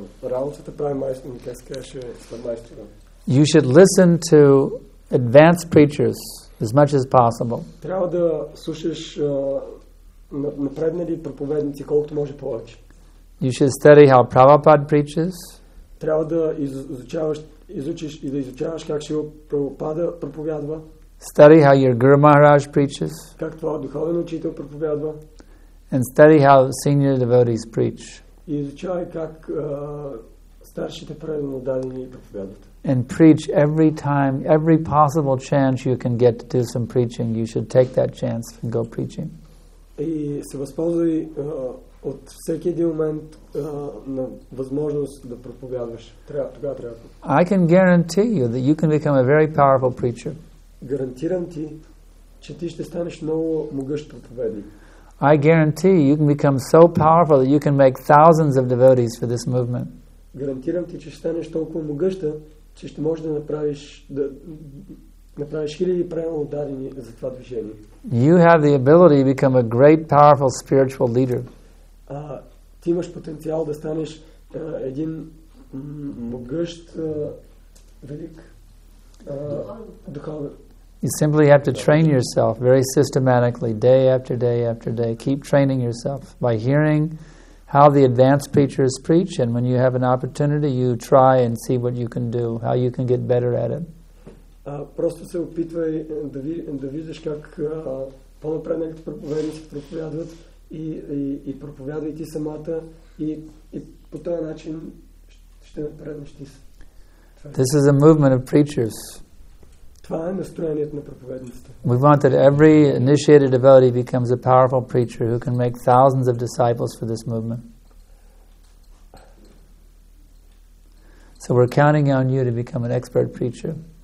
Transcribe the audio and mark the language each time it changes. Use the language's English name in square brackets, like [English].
[Bulgarian] Работата прави майстор, не казваше майстор. [English] You should listen to advanced preachers as much as possible. [Bulgarian] Трябва да слушаш напреднали проповедници колкото може повече. [English] You should study how Prabhupada preaches. [Bulgarian] Трябва да изучиш и да изучаваш как Шрила Прабхупада проповядва. [English] Study how your Guru Maharaj preaches. [Bulgarian] Как твой духовен учител проповядва. [English] And study how senior devotees preach. [Bulgarian] И изучавай как старшите правилно дадени проповядват. [English] And preach every time, every possible chance you can get to do some preaching, you should take that chance and go preaching. [Bulgarian] И се възползвай от всеки един момент на възможност да проповядваш. Трябва. [English] I can guarantee you that you can become a very powerful preacher. [Bulgarian] Гарантирам ти, че ти ще станеш много могъщ проповедник. [English] I guarantee you can become so powerful that you can make thousands of devotees for this movement. [Bulgarian] Гарантирам ти, че ще станеш толкова могъща, че ще можеш да направиш хиляди правилно дадени за това движение. [English] You have the ability to become a great powerful spiritual leader. [Bulgarian] Ти имаш потенциал да станеш един могъщ велик духовен. [English] You simply have to train yourself very systematically, day after day after day. Keep training yourself by hearing how the advanced preachers preach, and when you have an opportunity, you try and see what you can do, how you can get better at it. [Bulgarian] Просто се опитвай да виждаш как по-напредналите проповедници проповядват и проповядвай ти самата и по този начин ще напреднеш ти. [English] This is a movement of preachers. [Bulgarian] Това е настроението на проповедниците. [English] We want that every initiated devotee becomes a powerful preacher who can make thousands of disciples for this movement. So we're counting on you to become an expert preacher.